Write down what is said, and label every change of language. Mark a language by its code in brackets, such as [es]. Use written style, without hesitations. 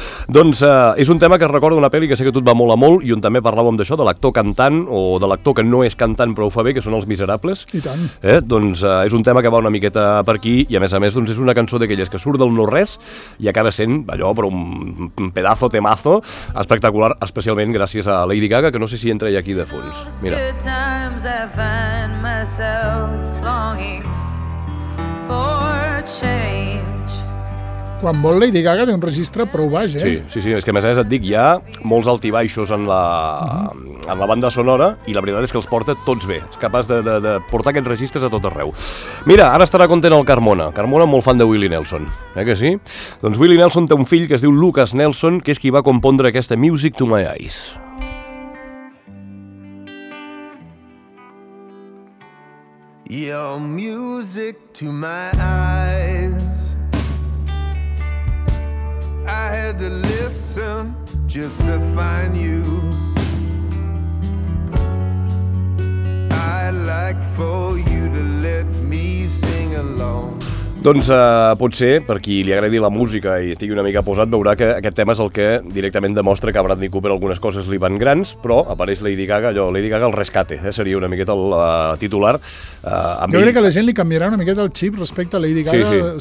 [ca] Doncs és un tema que recorda una pel·li que sé que tot va molt a molt, i on també parlàvem d'això, de l'actor cantant, o de l'actor que no és cantant però ho fa bé, que són Els Miserables. I tant. Doncs és un tema que va una miqueta per aquí, i a més, doncs és una cançó d'aquelles que surt del no-res i acaba sent, allò, però un pedazo, temazo, espectacular, especialment gràcies a Lady Gaga, que no sé si entra ja aquí de fons. Mira. [en] Good times I find myself longing for change. [ca] Quan vol Lady Gaga té un registre prou baix, eh? Sí, és que a més et dic, hi ha molts altibaixos en la, uh-huh. en la banda sonora, i la veritat és que els porta tots bé. És capaç de portar aquests registres a tot arreu. Mira, ara estarà content el Carmona. Carmona, molt fan de Willie Nelson, eh que sí? Doncs Willie Nelson té un fill que es diu Lucas Nelson, que és qui va compondre aquesta Music to My Eyes. [en] Your music to my eyes, I had to listen just to find you. I'd like for you to let me sing along. [ca] Doncs potser, per qui li agradi la música i tingui una mica posat, veurà que aquest tema és el que directament demostra que a Bradley Cooper algunes coses li van grans, però apareix Lady Gaga, allò, Lady Gaga el rescate, seria una miqueta el titular. Jo crec que la gent li canviarà una miqueta el xip respecte a Lady Gaga, sí.